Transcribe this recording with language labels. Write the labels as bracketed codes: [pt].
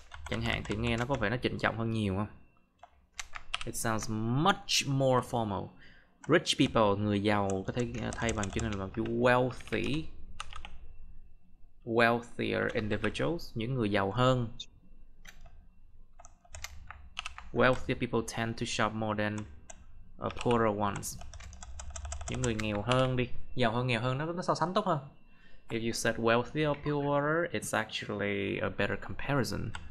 [vi] Chẳng hạn thì nghe nó có vẻ nó trịnh trọng hơn nhiều không? [en] It sounds much more formal. rich people, [vi] người giàu, có thể thay bằng chữ này là bằng chữ wealthy, [en] wealthier individuals, [vi] những người giàu hơn. [en] Wealthier people tend to shop more than poorer ones. [vi] Những người nghèo hơn đi, giàu hơn nó so sánh tốt hơn. [en] If you said wealthier or poorer, it's actually a better comparison.